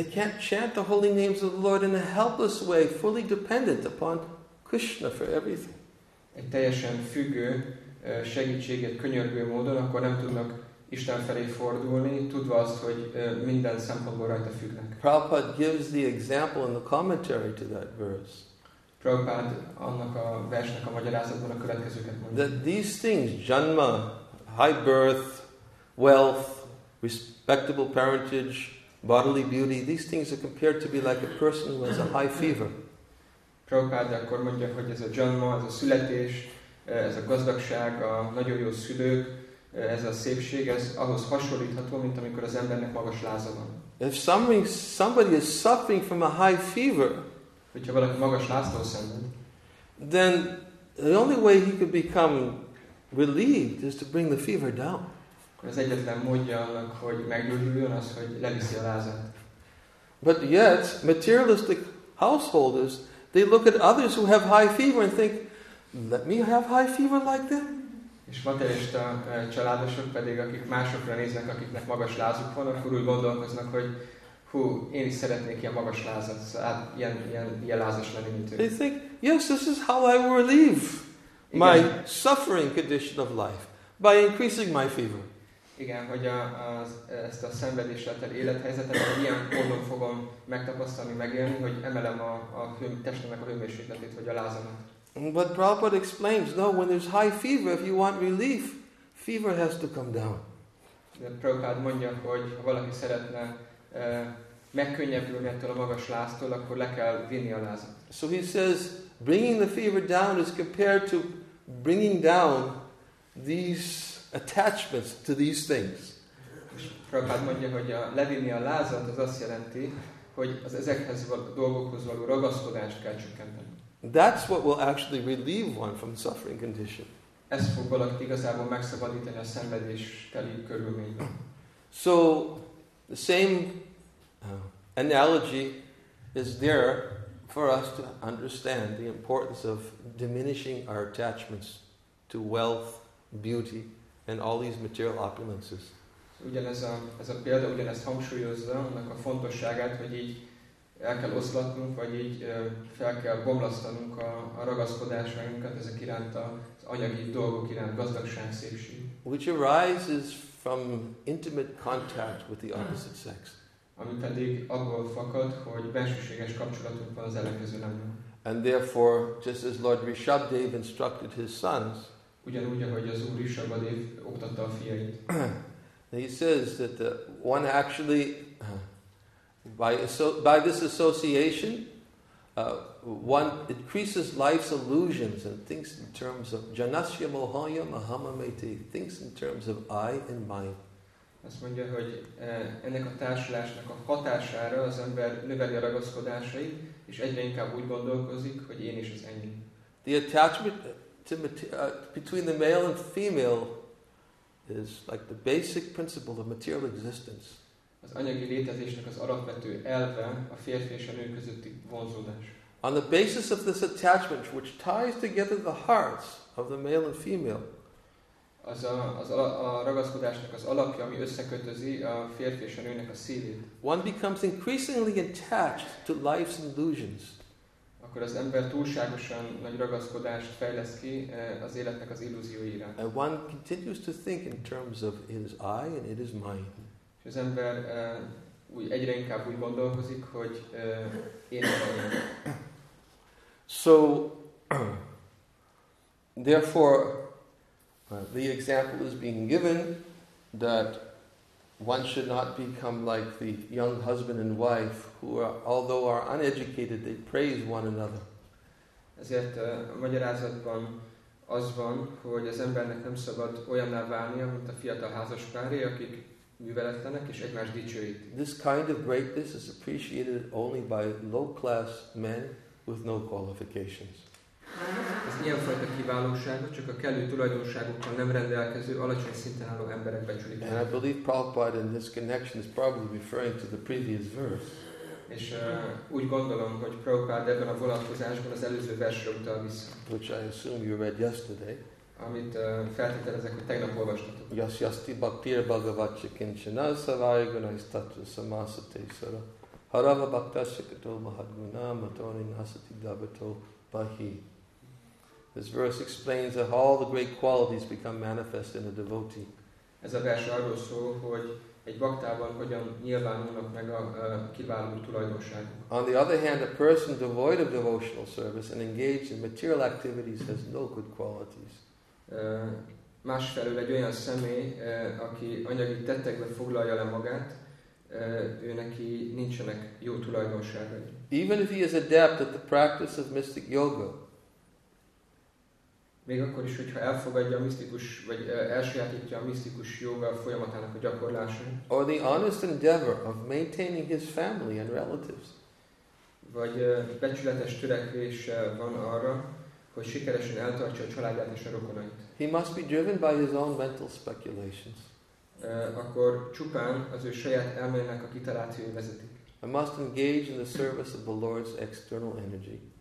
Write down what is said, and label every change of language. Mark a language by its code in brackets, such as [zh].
[en] They can't chant the holy names of the Lord in a helpless way, fully dependent upon Krishna for everything. [hu] Egy teljesen függő segítséget, könyörgő módon akkor nem tudnak Isten felé fordulni, tudva azt, hogy minden szempontból rajta függnek. [en] Prabhupada gives the example in the commentary to that verse. [hu] Prabhupada annak a versnek a magyarázatban a következőket mondja. [en] That these things, janma, high birth, wealth, respectable parentage, bodily beauty, these things are compared to be like a person who has a high fever. [hu] Prabhupada akkor mondja, hogy ez a janma, ez a születés, ez a gazdagság, a nagyon jó szülők, ez a szépség, ez ahhoz hasonlítható, mint amikor az embernek magas láza van. [en] If somebody is suffering from a high fever, [hu] hogyha valaki magas láztól szenved, [en] then the only way he could become relieved is to bring the fever down. [hu] Az egyetlen módja annak, hogy meggyógyuljon, az, hogy leviszi a lázát. [en] But yet, materialistic householders, they look at others who have high fever and think, let me have high fever like them? [hu] És materialista családosok pedig, akik másokra néznek, akiknek magas lázuk van, akkor úgy gondolkoznak, hogy hú, én is szeretnék ilyen magas lázat, ilyen lázas lenni, mint ő. [en] They think, yes, this is how I will relieve my suffering condition of life, by increasing my fever. [hu] Igen, hogy ezt a szenvedésletel élethelyzetet, ilyen módon fogom megtapasztalni, megélni, hogy emelem a testemnek a hőmérsékletét, vagy a lázamat. [en] But Prabhupada explains, no, when there's high fever, if you want relief, fever has to come down. [hu] De Prabhupada mondja, hogy ha valaki szeretne megkönnyebbülni ettől a magas láztól, akkor le kell vinni a lázat. [en] So he says, bringing the fever down is compared to bringing down these attachments to these things. [hu] És Prabhupada mondja, hogy levinni a lázat, az azt jelenti, hogy az ezekhez a dolgokhoz való ragaszkodást kell csökkenteni. [en] That's what will actually relieve one from suffering condition. [hu] Ez fog valakit igazából megszabadítani a szenvedésteli körülményben. [en] So, the same analogy is there for us to understand the importance of diminishing our attachments to wealth, beauty, and all these material opulences. [hu] ugyanez a, ez a példa ugyanezt hangsúlyozza, annak a fontosságát, hogy így el kell oszlatnunk, vagy így fel kell bomlasztanunk a ragaszkodásainkat ezek iránt, az anyagi dolgok iránt, gazdagság, szépség. [en] Which arises from intimate contact with the opposite sex. [hu] Ami pedig abból fakad, hogy bensőséges kapcsolatunk van az ellenkező nemmel. [en] And therefore, just as Lord Rishabhdev instructed his sons, [hu] ugyanúgy, ahogy az Úr Rishabhdev oktatta a fiait. [en] He says that the one actually, by this association, one increases life's illusions and thinks in terms of [sa] janasya mohaya mahamamete, [en] thinks in terms of I and mine. [hu] Azt mondja, hogy ennek a társulásnak a hatására az ember növeli a ragaszkodásai, és egyre inkább úgy gondolkozik, hogy én is az enyém. [en] The attachment to between the male and female is like the basic principle of material existence. [hu] Az anyagi létezésnek az alapvető elve a férfi és a nő közötti vonzódás. [en] On the basis of this attachment, which ties together the hearts of the male and female, [hu] az a ragaszkodásnak az alapja, ami összekötözi a férfi és a nőnek a szívét, [en] one becomes increasingly attached to life's illusions. [hu] Akkor az ember túlságosan nagy ragaszkodást fejleszt ki az életnek az illúzióira. [en] And one continues to think in terms of it is I and it is mine. [hu] És az ember úgy egyre inkább úgy gondolkozik, hogy én vagyok. [en] So, therefore, the example is being given that one should not become like the young husband and wife who are, although are uneducated, they praise one another. [hu] Ezért a magyarázatban az van, hogy az embernek nem szabad olyanná válnia, mint a fiatal házaspár, akik műveletlenek és egymást dicsőítik. [en] This kind of greatness is appreciated only by low-class men with no qualifications. [hu] Ez ilyenfajta kiválóság, csak a kellő tulajdonságokkal nem rendelkező, alacsony szinten álló emberek becsülik. [en] And I believe Prabhupada in this connection is probably referring to the previous verse. [hu] És úgy gondolom, hogy Prabhupada ebben a vonatkozásban az előző versre utal vissza. [en] Which I assume you read yesterday. [hu] Amit feltételezek, hogy tegnap olvastatok. [sa] Yas yasti bhaktir bhagavacya kinchana savaya gunaistatva samasate sara harava bhaktasya kato mahadguna matoni nasati dhabato bahi. [en] This verse explains that all the great qualities become manifest in a devotee. [hu] Ez a vers arról szól, hogy egy baktában hogyan nyilvánulnak meg a kiváló tulajdonságok. [en] On the other hand, a person devoid of devotional service and engaged in material activities has no good qualities. [hu] Másfelől egy olyan személy, aki anyagi tettekbe foglalja le magát, őneki nincsenek jó tulajdonságai. [en] Even if he is adept at the practice of mystic yoga, [hu] még akkor is, hogyha elfogadja a misztikus, vagy elsajátítja a misztikus jóga folyamatának a gyakorlását. [en] Or the honest endeavor of maintaining his family and relatives. [hu] Vagy becsületes törekvés van arra, hogy sikeresen eltartsa a családját és a rokonait. [en] He must be driven by his own mental speculations. [hu] Akkor csupán az ő saját elmének a kitalációi vezetik. [en] He must engage in the service of the Lord's external energy.